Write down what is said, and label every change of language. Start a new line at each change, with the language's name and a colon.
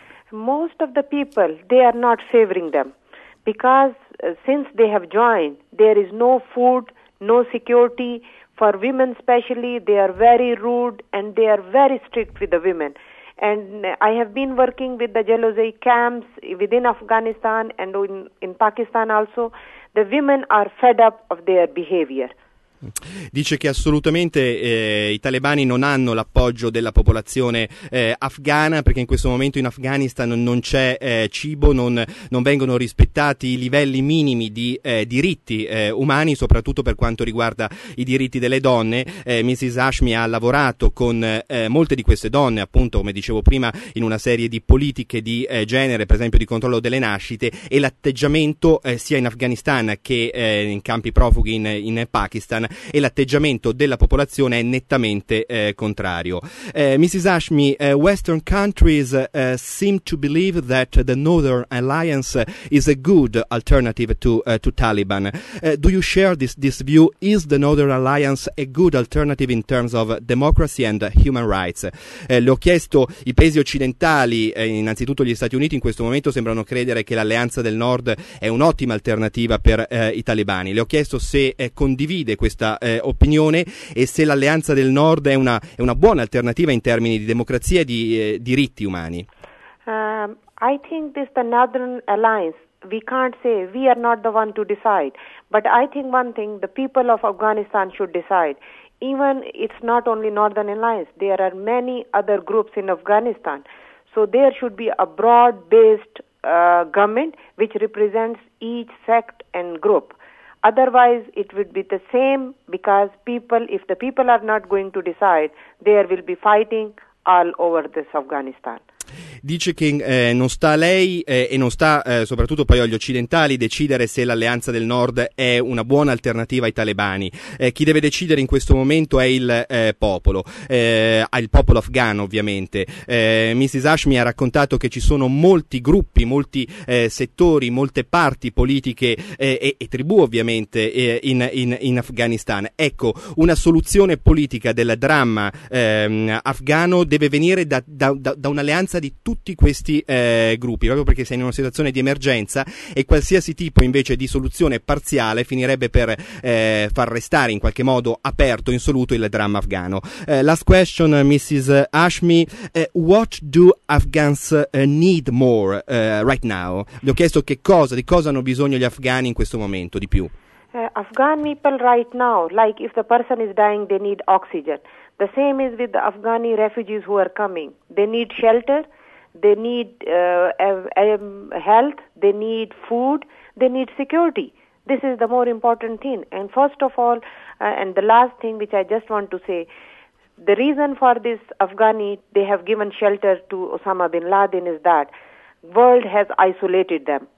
English: Most of the people, they are not favoring them because since they have joined, there is no food, no security for women especially. They are very rude and they are very strict with the women. And I have been working with the jalousie camps within Afghanistan and in Pakistan also. The women are fed up of their behavior.
Italian: Dice che assolutamente i talebani non hanno l'appoggio della popolazione afghana perché in questo momento in Afghanistan non c'è cibo, non vengono rispettati i livelli minimi di diritti umani, soprattutto per quanto riguarda i diritti delle donne. Mrs. Hashmi ha lavorato con molte di queste donne, appunto, come dicevo prima, in una serie di politiche di genere, per esempio di controllo delle nascite, e l'atteggiamento sia in Afghanistan che in campi profughi in Pakistan. e l'atteggiamento della popolazione è nettamente contrario. Mrs.
English: Hashmi, Western countries seem to believe that the Northern Alliance is a good alternative to Taliban. Do you share this view? Is the Northern Alliance a good alternative in terms of democracy and human rights?
Italian: Le ho chiesto i paesi occidentali, innanzitutto gli Stati Uniti, in questo momento sembrano credere che l'Alleanza del Nord è un'ottima alternativa per i talebani. Le ho chiesto se condivide questa opinione e se l'Alleanza del Nord è una buona alternativa in termini di democrazia e di diritti umani.
English: I think this the Northern Alliance, we can't say, we are not the one to decide. But I think one thing, the people of Afghanistan should decide. Even it's not only Northern Alliance, there are many other groups in Afghanistan. So there should be a broad-based government which represents each sect and group. Otherwise, it would be the same, because people, if the people are not going to decide, there will be fighting all over this Afghanistan.
Italian: Dice che non sta a lei e non sta soprattutto poi agli occidentali decidere se l'Alleanza del Nord è una buona alternativa ai talebani. Chi deve decidere in questo momento è il popolo, il popolo afghano ovviamente. Mrs. Hashmi ha raccontato che ci sono molti gruppi, molti settori, molte parti politiche e tribù ovviamente in Afghanistan. Ecco, una soluzione politica del dramma afghano deve venire da un'alleanza di tutti questi gruppi, proprio perché sei in una situazione di emergenza, e qualsiasi tipo invece di soluzione parziale finirebbe per far restare in qualche modo aperto, insoluto il dramma afghano.
English: Last question, Mrs. Hashmi, what do Afghans need more right now?
Italian: Le ho chiesto di cosa hanno bisogno gli afghani in questo momento di più.
English: Afghan people right now, like if the person is dying, they need oxygen. The same is with the Afghani refugees who are coming. They need shelter, they need health, they need food, they need security. This is the more important thing. And first of all, and the last thing which I just want to say, the reason for this Afghani, they have given shelter to Osama bin Laden, is that world has isolated them.